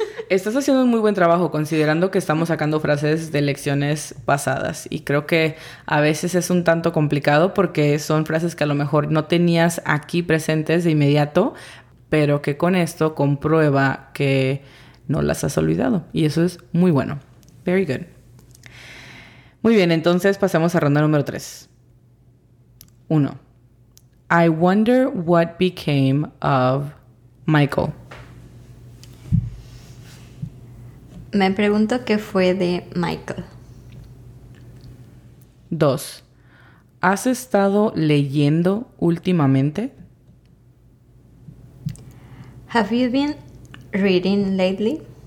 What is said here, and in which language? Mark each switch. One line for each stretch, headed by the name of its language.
Spanish: Estás haciendo un muy buen trabajo considerando que estamos sacando frases de lecciones pasadas y creo que a veces es un tanto complicado porque son frases que a lo mejor no tenías aquí presentes de inmediato, pero que con esto comprueba que no las has olvidado y eso es muy bueno.
English: Very good.
Spanish: Muy bien, entonces pasemos a ronda número 3. 1.
English: I wonder what became of Michael.
Spanish: Me pregunto qué fue de Michael. 2. ¿Has estado leyendo últimamente?
English: Have you been reading lately?